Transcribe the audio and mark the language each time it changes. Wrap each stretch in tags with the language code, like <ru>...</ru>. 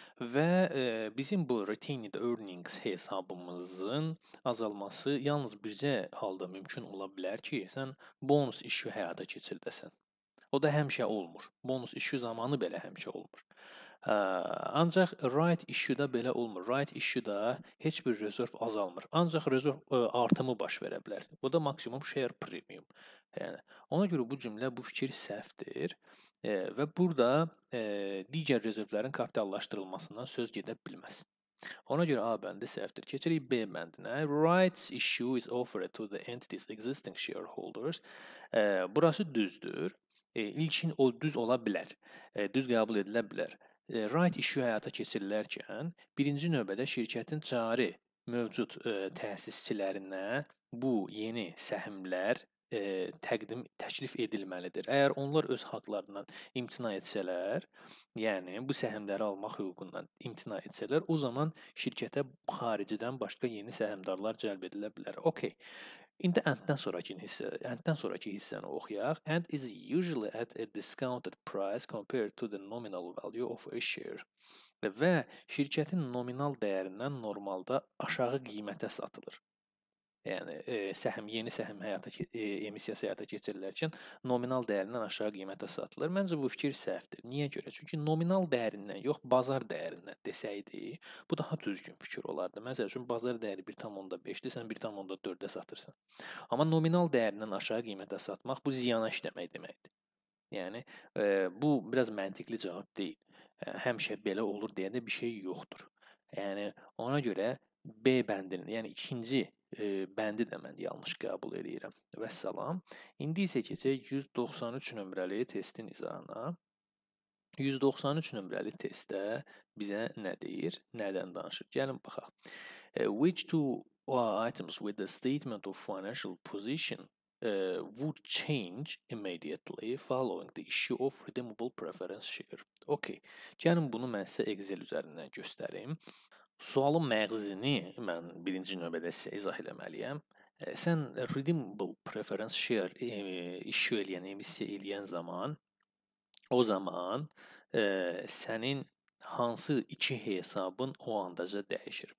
<az>Və bizim bu retained earnings hesabımızın azalması yalnız bircə halda mümkün ola bilər ki, sən bonus işi həyata keçirdəsən. O da həmişə olmur. Bonus işi zamanı belə həmişə olmur. Ancaq right issue da belə olmur. Right issue da heç bir rezerv azalmır. Ancaq rezerv artımı baş verə bilər. Bu da maksimum share premium. Yəni, ona görə bu cümlə bu fikir səhvdir və burada digər rezervlərin kapitallaşdırılmasından söz gedə bilməz. Ona görə A bəndi səhvdir. Keçirik B bəndinə.</az> <en>Rights issue is offered to the entity's existing shareholders.</en> <az>Burası düzdür. İlkin o düz ola bilər. Düz qəbul edilə bilər. Right issue həyata keçirilərkən birinci növbədə şirkətin cari mövcud təsisçilərinə bu yeni səhmlər təqdim təklif edilməlidir. Əgər onlar öz haqlarından imtina etsələr, yəni bu səhmləri almaq hüququndan imtina etsələr, o zaman şirkətə xaricidən başqa yeni səhmdarlar cəlb edilə bilər. Okay. İndi əntdən sonrakı hissəni oxuyaq.</az> <en>And is usually at a discounted price compared to the nominal value of a share.</en> <az>Və şirkətin nominal dəyərindən normalda aşağı qiymətə satılır. Yəni, emisiyası həyata keçirilərkən nominal dəyərindən aşağı qiymətə satılır. Məncə, bu fikir səhvdir. Niyə görə? Çünki nominal dəyərindən, yox, bazar dəyərindən desəkdi, bu daha düzgün fikir olardı. Məsəl üçün, bazar dəyəri 1.5-dir, sən 1.4-də satırsan. Amma nominal dəyərindən aşağı qiymətə satmaq bu ziyana işləmək deməkdir. Yəni, bu biraz məntiqli cavab deyil. Həmişə belə olur deyəndə bir şey yoxdur. Yəni, ona görə B bəndinin, yəni ikinci bəndi də mən yanlış qəbul edirəm. Vəssalam. İndi isə keçək 193 nömrəli testin izahına. 193 nömrəli testdə bizə nə deyir, nədən danışır? Gəlin baxaq.</az> <en>Which two items with the statement of financial position would change immediately following the issue of redeemable preference share? Okay.</en> <az>Gəlin bunu mən sizə Excel üzərindən göstərim. Sualın məğzini mən birinci növbədə sizə izah eləməliyəm. Sən redeemable preference share işi eləyən, emisiya eləyən zaman, o zaman sənin hansı iki hesabın o andaca dəyişir?</az>